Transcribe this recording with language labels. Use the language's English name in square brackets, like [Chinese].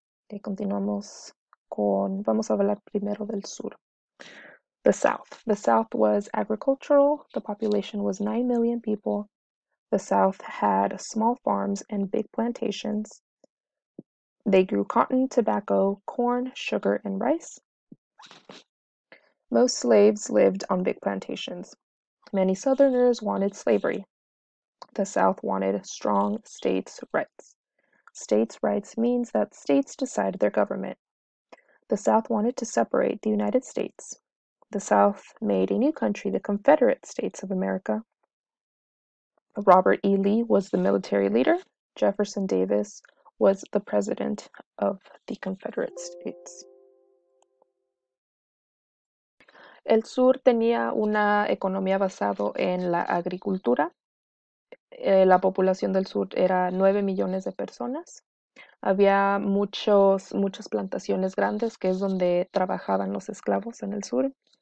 [Spanish] Y continuamos con, vamos a hablar primero del sur. [English] The South. The South was agricultural. The population was 9 million people. The South had small farms and big plantations. They grew cotton, tobacco, corn, sugar, and rice. Most slaves lived on big plantations. Many Southerners wanted slavery. The South wanted strong states' rights. States' rights means that states decide their government. The South wanted to separate the United States. The South made a new country, the Confederate States of America. Robert E. Lee was the military leader. Jefferson Davis was the president of the Confederate States. [Spanish] El sur tenía una economía basada en la agricultura. La población del sur era 9 millones de personas. Había muchas plantaciones grandes, que es donde trabajaban los esclavos en el sur.